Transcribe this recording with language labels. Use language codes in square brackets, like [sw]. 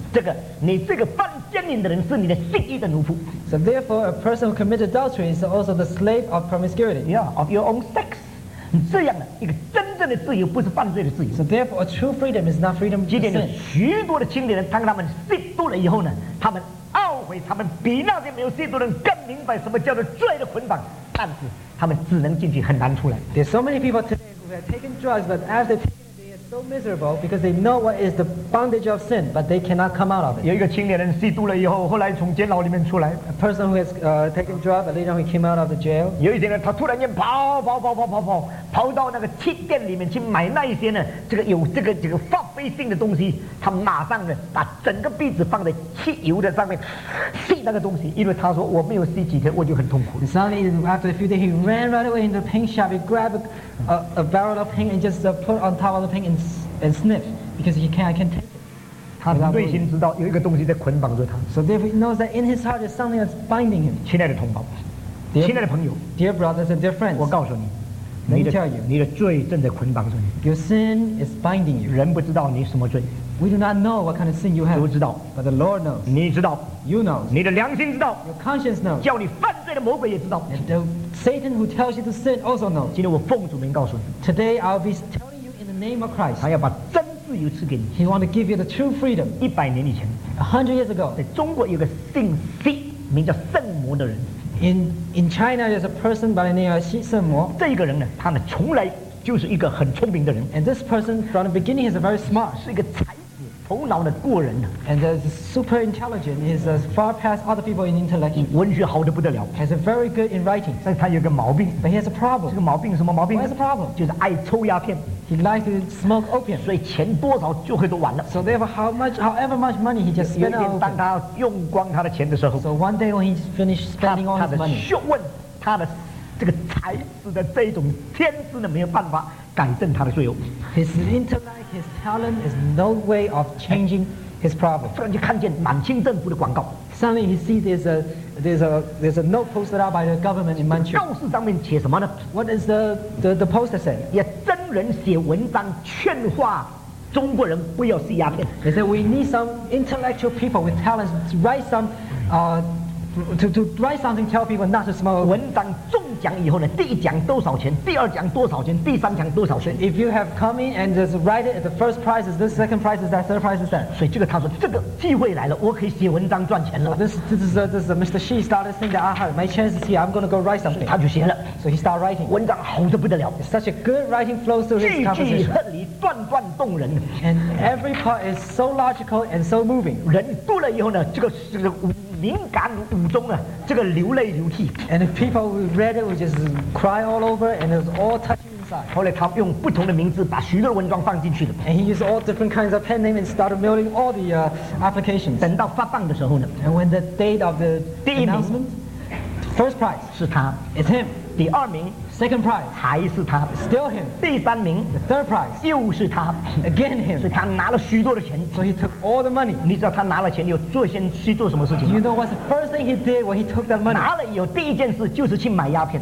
[zh] 这个，你这个犯奸淫的人是你的性欲的奴仆 [en] So therefore, a person who commits adultery is also the slave of promiscuity. Yeah, of your own sex. [zh] 这样的一个真正的自由，不是犯罪的自由 [en] So therefore, a true freedom is not freedom. [zh] 今天有许多的青年人，当他们吸毒了以后呢，他们 [en] There are so many people today who have taken drugs, but after taking them, they have so miserable because they know what is the bondage of sin, but they cannot come out of it. [zh] 有一个青年人吸毒了以后，后来从监牢里面出来。 [en] A person who has taken drugs, but later he came out of the jail. [zh] 有一天呢，他突然间跑到那个气垫里面去买那一些呢，这个有这个发霉性的东西。他马上呢，把整个鼻子放在汽油的上面吸那个东西，因为他说我没有吸几天我就很痛苦。 [en] And suddenly, after a few days, he ran right away into the paint shop. He grabbed a barrel of paint and just put on top of the paint and sniff because I can't take it. [zh] 他内心知道有一个东西在捆绑着他。 [en] So therefore, he knows that in his heart there's something that's binding him. [zh] 亲爱的同胞，亲爱的朋友 [en] ，Dear brothers and dear friends， [zh] 我告诉你。你的罪正在捆绑着你。 [en] Your sin is binding you. [zh] 人不知道你什么罪。 [en] We do not know what kind of sin you have. [zh] 主知道。 [en] But the Lord knows. [zh] 你知道。 [en] You know. [zh] 你的良心知道。 [en] Your conscience knows. [zh] 叫你犯罪的魔鬼也知道。 [en] And the Satan who tells you to sin also knows. [zh] 今天我奉主名告诉你。 [en] Today I'll be telling you in the name of Christ. [zh] 他要把真自由赐给你。 [en] He want to give you the true freedom. [zh] 100年以前。 [en] 100 years ago. [zh] 在中国有个姓西，名叫圣魔的人。 [en] In China, there's a person by the name of 西圣魔。 [zh] 这一个人呢，他呢从来就是一个很聪明的人。 [en] And this person from the beginning is very smart. [zh] 是一个才子，头脑的过人。 [en] And is super intelligent. He's far past other people in intellect. [zh] 文学好得不得了。 [en] Has a very good in writing. [zh] 但是他有一个毛病。 [en] But he has a problem. [zh] 这个毛病什么毛病 [en] ？What is the problem? [zh] 就是爱抽鸦片。 [en] He likes to smoke opium. [zh] 所以钱多少就会都完了。 [en] So therefore, however much money he just spent on opium. [zh] 有一天当他用光他的钱的时候 [en] ，So one day when he finished spending all his money, [zh] 他的学问，他的这个才子的这种天资呢，没有办法改正他的罪恶。 [en] His intellect, his talent is no way of changing his problem. [zh] 突然就看见满清政府的广告。 [en] Suddenly he sees there's a note posted out by the government in Manchu. [zh] 告示上面写什么呢 [en] ？What is the poster say? [zh] 也真人写文章劝化中国人不要吸鸦片。 [en] They say we need some intellectual people with talents to write some, to write something tell people not to smoke. [zh] 文章中奖以后呢，第一奖多少钱？第二奖多少钱？第三奖多少钱 [en] ？If you have come in and just write it, the first prize is this, second prize is that, third prize is that. [zh] 所以这个他说这个机会来了，我可以写文章赚钱了。 [en] This is Mr. Xi started saying that I have my chance is here. I'm going to go write something. [zh] 他就写了。 [en] So he start writing. [zh] 文章好得不得了。 [en] Such a good writing flows through his composition. [zh] 句句合理，段段动人。 [en] And every part is so logical and so moving. [zh] 人读了以后呢，这个灵感无中啊，这个流泪流涕。 [en] And the people who read it would just cry all over, and it was all touching inside. [zh] 后来他用不同的名字把许多文章放进去了。 [en] And he used all different kinds of pen name and started mailing all the applications. [zh] 等到发放的时候呢 [en] ，And when the date of the announcement, first prize [zh] 是他 [en] ，It's him. [zh] 第二名 [en] ，Second prize [zh] 还是他 [en] ，Still him. [zh] 第三名 [en] ，The third prize [zh] 又是他 [en] ，Again him. [zh] 所以他拿了许多的钱。 [en] So he took all the money. [zh] 你知道他拿了钱以后做先去做什么事情 [en] ？You know what's the first thing he did when he took that money? [zh] 拿了以后第一件事就是去买鸦片。